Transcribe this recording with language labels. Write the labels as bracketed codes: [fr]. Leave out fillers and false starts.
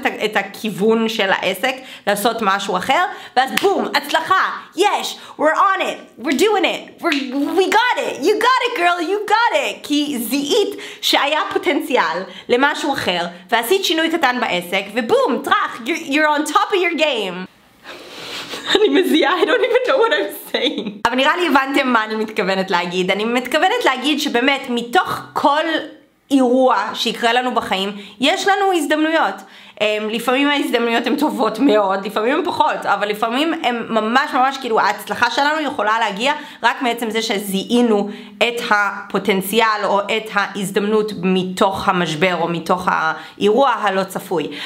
[he] את הכיוון של העסק, לעשות משהו אחר, ואז בום, הצלחה, [en] yes, we're on it, we're doing it, we got it, [he] you got it girl, you got it, כי זיהית שהיה פוטנציאל למשהו אחר, ועשית שינוי קטן בעסק, ובום, טרח, [en] you're on top of your game. [he] אני מזיעה, [en] I don't even know what I'm saying. [he] אבל נראה לי הבנתם מה אני מתכוונת להגיד. אני מתכוונת להגיד שבאמת מתוך כל אירוע שיקרה לנו בחיים, יש לנו הזדמנויות. לפעמים ההזדמנויות הן טובות מאוד, לפעמים הן פחות, אבל לפעמים הן ממש ממש כאילו ההצלחה שלנו יכולה להגיע רק מעצם זה שזיהינו את הפוטנציאל או את ההזדמנות מתוך המשבר או מתוך האירוע הלא צפוי.